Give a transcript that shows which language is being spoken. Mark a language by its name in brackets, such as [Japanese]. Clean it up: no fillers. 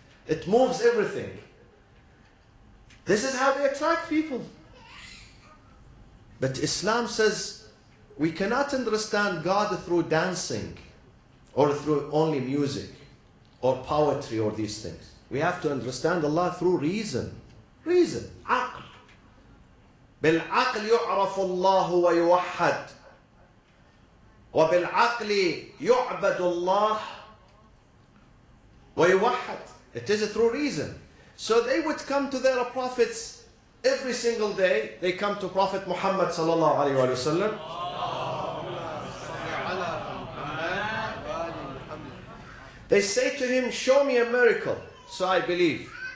[English] It moves everything. This is how they attract people. But Islam says we cannot understand God through dancing or through only music or poetry or these things. We have to understand Allah through reason. Reason. Aql. [Arabic] بالعقل يعرف الله ويوحد وبالعقل يعبد الله ويوحد. [English] It is through reason. So they would come to their prophets every single day. They come to Prophet Muhammad sallallahu alaihi wasallam. They say to him, show me a miracle so I believe.